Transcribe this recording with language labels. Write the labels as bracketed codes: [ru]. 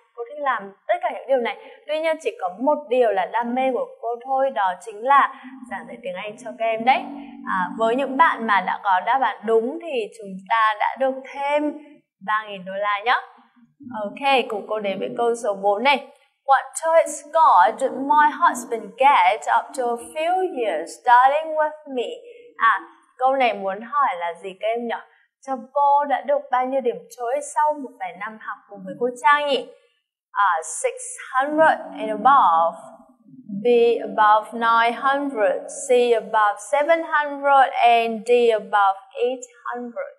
[vi] Cô thích làm tất cả những điều này. Tuy nhiên chỉ có một điều là đam mê của cô thôi, đó chính là giảng dạy tiếng Anh cho các em đấy. À, với những bạn mà đã có đáp án đúng thì chúng ta đã được thêm 3.000 đô la nhé. Ok, cùng cô đến với câu số 4 này. [en] What toy score did my husband get after a few years studying with me? [vi] À, câu này muốn hỏi là gì các em nhỉ? Chồng cô đã được bao nhiêu điểm toy sau một vài năm học cùng với cô Trang nhỉ? [en] À, 600 and above. B above 900, C above 700 and D above 800.